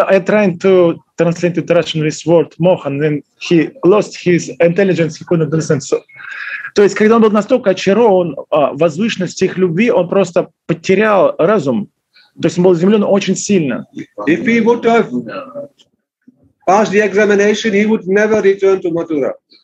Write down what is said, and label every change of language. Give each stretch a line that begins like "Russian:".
English: I tried to translate into Russian this word "moh", and then he lost his intelligence. He couldn't understand.
Russian: So, то есть, когда он был настолько очарован возвышенностью их любви, он просто потерял разум. То есть, он был изумлен очень сильно.
English: If he would have passed the examination, he would never return to Mathura.